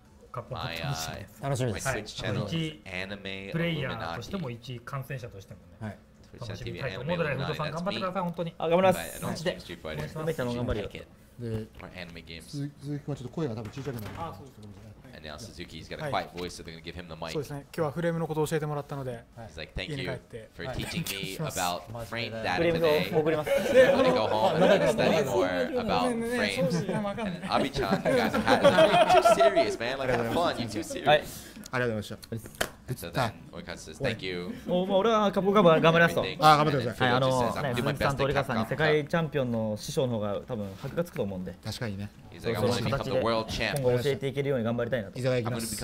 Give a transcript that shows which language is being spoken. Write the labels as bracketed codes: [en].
[ja] カップを買ってほしいです。楽しみです。はい、一プレイヤーとしても一感染者としてもね、はい、楽しみたいと思うので、フードさん頑張ってください。本当に頑張ります。マジでマジで頑張ります。鈴木君はちょっと声が多分小さくなります。あ、そうですか。 [en] And now Suzuki's got a quiet voice, so they're gonna give him the mic. [ja] そうですね。今日はフレームのことを教えてもらったので、 [en] He's like, thank you for teaching me about frame data today. [ja] フレームを送ります。 [en] で、I'm gonna go home and study more about frames. And Abe-chan, you guys are too serious, man. Like, have fun. You're too serious. [ja] ありがとうございました。 [en] So then, Oikatsu says, thank you. [ja] もう俺はカプコンカップ頑張りますと。あ、頑張ってください。はい、鈴木さんと折笠さんに世界チャンピオンの師匠の方が多分箔がつくと思うんで。確かにね。その形で今後教えていけるように頑張りたいなと。いただきます。